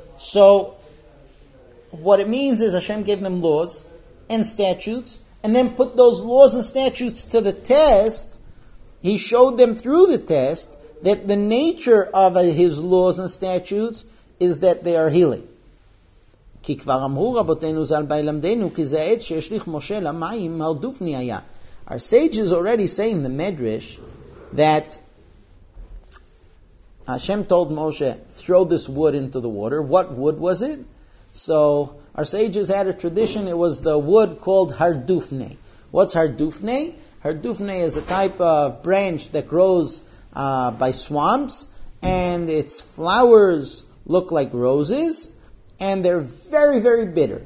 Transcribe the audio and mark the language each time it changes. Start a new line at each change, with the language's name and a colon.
English: So what it means is Hashem gave them laws and statutes and then put those laws and statutes to the test. He showed them through the test that the nature of His laws and statutes is that they are healing.
Hebrew: כי כבר אמרו רבותינו זל בילמדנו, כי זה עץ שהשליך משה למים, מרדופני היה.
English: Our sage is already saying, the Medrash, that Hashem told Moshe, throw this wood into the water. What wood was it? So our sages had a tradition, it was the wood called hardufne. What's hardufne? Hardufne is a type of branch that grows by swamps, and its flowers look like roses, and they're very, very bitter.